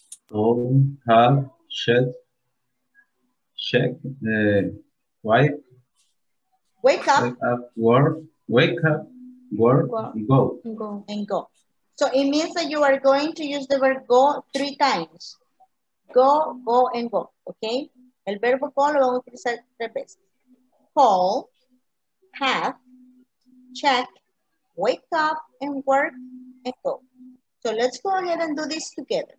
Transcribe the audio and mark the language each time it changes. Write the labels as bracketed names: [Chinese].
[English] Own, have, shed, check, wipe. Wake up. Wake up, work, go. And go. So it means that you are going to use the word go three times. Go, and go, okay? [Spanish] El verbo go lo vamos a utilizar tres veces. [English] Call, have, check, wake up, and work, and go. So let's go ahead and do this together.